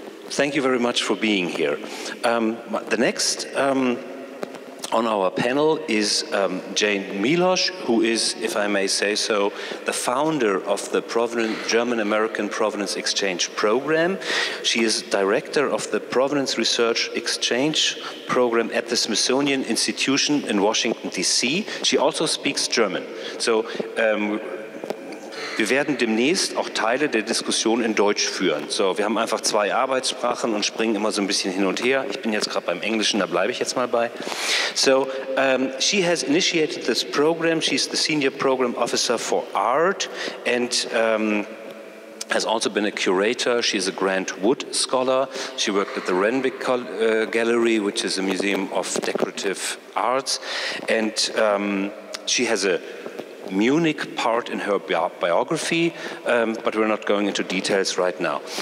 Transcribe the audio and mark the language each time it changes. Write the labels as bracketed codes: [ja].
[en] Thank you very much for being here. The next on our panel is Jane Milosch, who is, if I may say so, the founder of the German-American Provenance Exchange Program. She is director of the Provenance Research Exchange Program at the Smithsonian Institution in Washington, D.C. She also speaks German. [de] So wir werden demnächst auch Teile der Diskussion in Deutsch führen. So, wir haben einfach zwei Arbeitssprachen und springen immer so ein bisschen hin und her. Ich bin jetzt gerade beim Englischen, da bleibe ich jetzt mal bei. [en] So, she has initiated this program. She's the Senior Program Officer for Art and has also been a curator. She is a Grant Wood Scholar. She worked at the Renwick Gallery, which is a museum of decorative arts. And she has a Munich part in her biography, but we're not going into details right now.